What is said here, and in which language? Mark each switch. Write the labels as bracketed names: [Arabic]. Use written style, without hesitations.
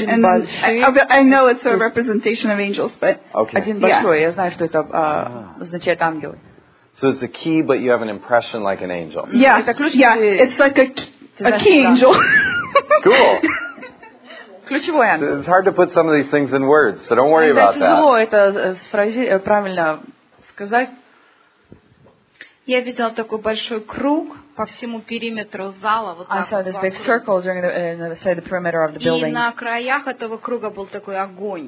[English] And I know it's a representation of angels, but... Okay. Yeah. So it's a key, but you have an impression like an angel. Yeah, yeah, it's like a key angel. Cool. [Russian] Ключевой ангел. [English] It's hard to put some of these things in words, so don't worry about that. [Russian] Тяжело это правильно сказать. Я видела такой большой круг по всему периметру зала. [English] I saw this big circle during the perimeter of the building. [Russian] И на краях этого круга был такой огонь.